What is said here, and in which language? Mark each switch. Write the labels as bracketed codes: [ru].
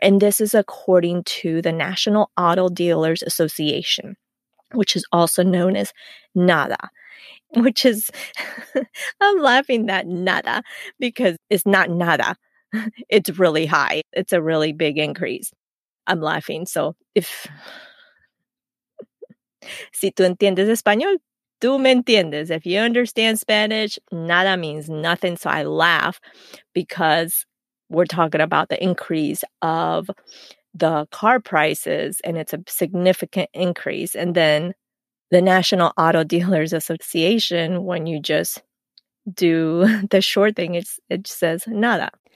[en] And this is according to the National Auto Dealers Association, which is also known as NADA. which is, I'm laughing at nada because it's not nada. It's really high. It's a really big increase. I'm laughing. So if, [es] si tú entiendes español, tú me entiendes. [en] If you understand Spanish, nada means nothing. So I laugh because we're talking about the increase of the car prices, and it's a significant increase. And then the National Auto Dealers Association, when you just do the short thing, it says nada.